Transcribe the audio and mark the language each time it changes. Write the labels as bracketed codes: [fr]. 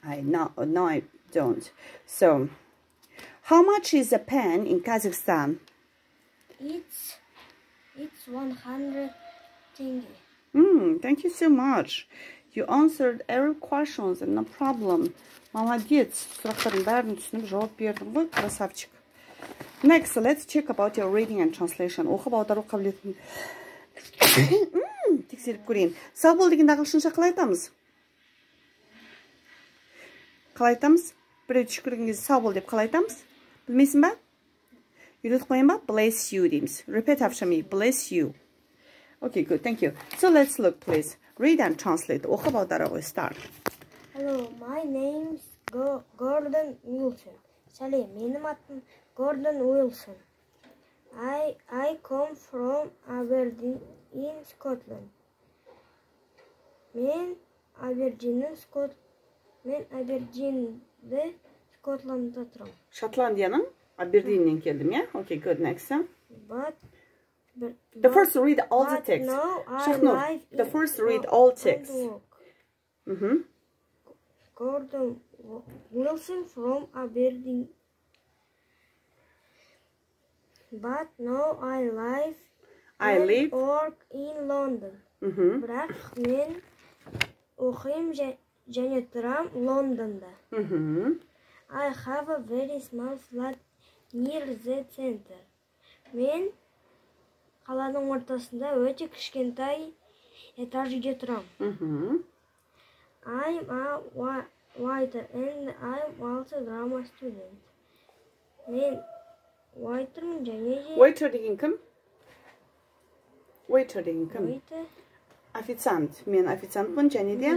[en] No, I don't. So, how much is a pen in Kazakhstan? It's 100 tenge. Thank you so much. You answered every questions and no problem. [ru] Молодец. [kk] Сұрақтарын бәрін түсініп жауап бердің ғой, красавчик. [en] Next, let's check about your reading and translation. [kk] Оқып аудару қабілетін. Тексеріп көрейін. Сау бол деген ағылшынша қалай айтамыз? Қалай айтамыз? Біреу түсіп көрген кезде сау бол деп қалай айтамыз? Білмейсің ба? Үйретіп қояйын ба? [en] Bless you [kk] дейміз. [en] Repeat after me. Bless you. Okay, good. Thank you. So let's look, please. Read and translate. [kk] Оқып аудару ғой. [en] Start. Hello, my name's Gordon Wilson. [kk] Сәлем, менің атым Gordon Wilson. [en] I come from Aberdeen in Scotland. [kk] Мен Aberdeen-де Скотландта тұрам. Шотландияның Aberdeen-нен келдім, yeah? [en] Okay, good, next. But the first read all the text. No, Шахнур, the first read all text. Mm-hmm. Gordon Wilson from Aberdeen. But now I live and work in London. Mm-hmm. [kk] Бірақ мен оқим және тұрам Лондонда. Mm-hmm. [en] I have a very small flat near the center. [kk] Мен қаланың ортасында өте кішкентай этаж үйде тұрам. Mm-hmm. [en] I'm a writer and I'm also drama student. [kk] Мен writer-мін және... Writer деген кім? Writer деген кім? Writer. официант. Мен официантпын және де.